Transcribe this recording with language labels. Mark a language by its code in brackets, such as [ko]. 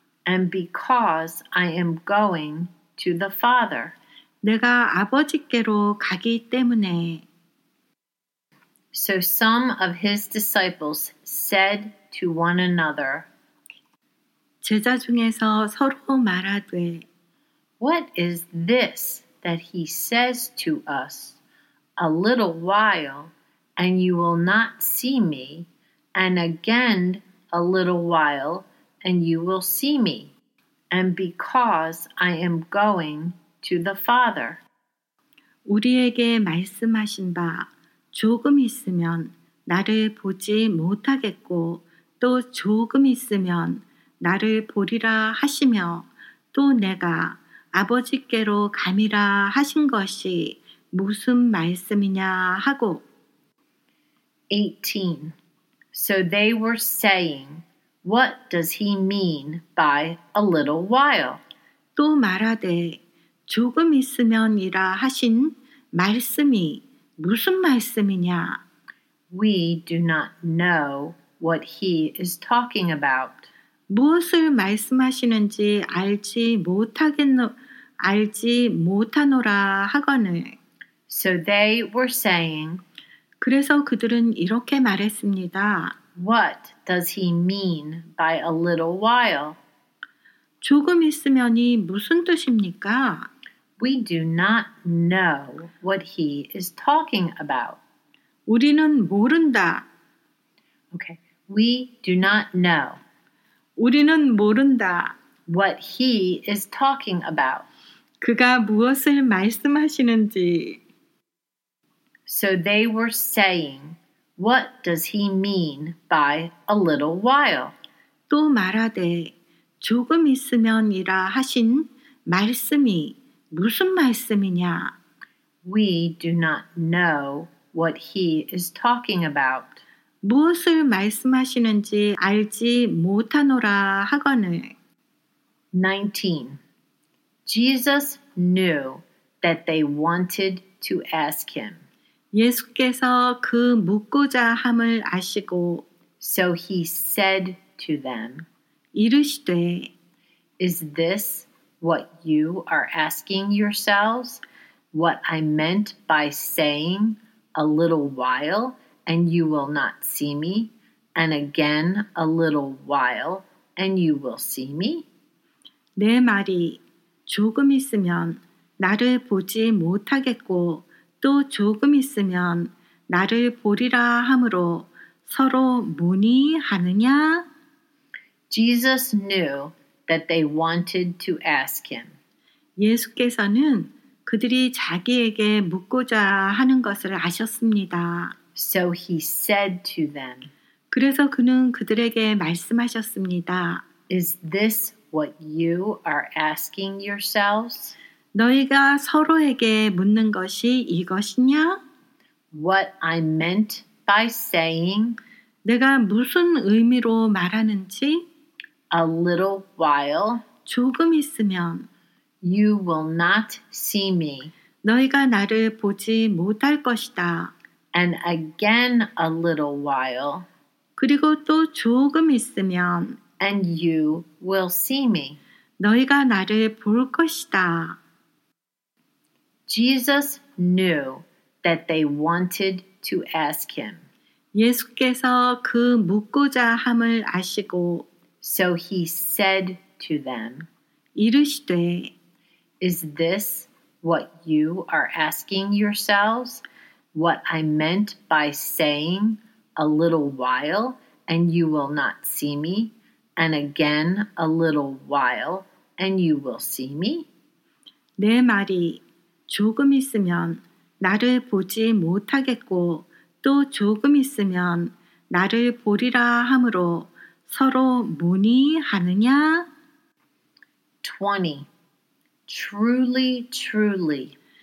[en] And because I am going to the Father. [ko] 내가 아버지께로 가기 때문에. [en] So some of his disciples said to one another, [ko] 제자 중에서 서로 말하되, [en] What is this that he says to us? A little while, and you will not see me, and again a little while, and you will see me, and because I am going to the Father. [ko] 우리에게 말씀하신 바, 조금 있으면 나를 보지 못하겠고, 또 조금 있으면 나를 보리라 하시며, 또 내가 아버지께로 감이라 하신 것이 무슨 말씀이냐 하고. [en] 18. So they were saying, What does he mean by a little while? [ko] 또 말하되, 조금 있으면이라 하신 말씀이 무슨 말씀이냐? [en] We do not know what he is talking about. [ko] 무엇을 말씀하시는지 알지 못하노라 하거늘. [en] So they were saying, [ko] 그래서 그들은 이렇게 말했습니다. [en] What does he mean by a little while? [ko] 조금 있으면이 무슨 뜻입니까? [en] We do not know what he is talking about. [ko] 우리는 모른다. [en] Okay. We do not know. [ko] 우리는 모른다. [en] What he is talking about. [ko] 그가 무엇을 말씀하시는지. [en] So they were saying, What does he mean by a little while? [ko] 또 말하되, 조금 있으면이라 하신 말씀이 무슨 말씀이냐? [en] We do not know what he is talking about. [ko] 무엇을 말씀하시는지 알지 못하노라 하거늘. [en] 19. Jesus knew that they wanted to ask him. [ko] 예수께서 그 묻고자 함을 아시고, [en] So he said to them, [ko] 이르시되, [en] Is this what you are asking yourselves? What I meant by saying, A little while, and you will not see me, and again a little while, and you will see me? [ko] 내 말이 조금 있으면 나를 보지 못하겠고, 또 조금 있으면 나를 보리라 함으로 서로 문의하느냐? [en] Jesus knew that they wanted to ask him. [ko] 예수께서는 그들이 자기에게 묻고자 하는 것을 아셨습니다. [en] So he said to them. [ko] 그래서 그는 그들에게 말씀하셨습니다. [en] Is this what you are asking yourselves? [ko] 너희가 서로에게 묻는 것이 이것이냐? [en] What I meant by saying. [ko] 내가 무슨 의미로 말하는지. [en] A little while. [ko] 조금 있으면. [en] You will not see me. [ko] 너희가 나를 보지 못할 것이다. [en] And again a little while. [ko] 그리고 또 조금 있으면. [en] And you will see me. [ko] 너희가 나를 볼 것이다. [en] Jesus knew that they wanted to ask him. [ko] 예수께서 그 묻고자 함을 아시고, [en] So he said to them, [ko] 이르시되, [en] Is this what you are asking yourselves? What I meant by saying, A little while, and you will not see me, and again a little while, and you will see me? [ko] 내 말이 조금 있으면 나를 보지 못하겠고 또 조금 있으면 나를 보리라 함으로 서로 문의하느냐? [en] 20. Truly, truly.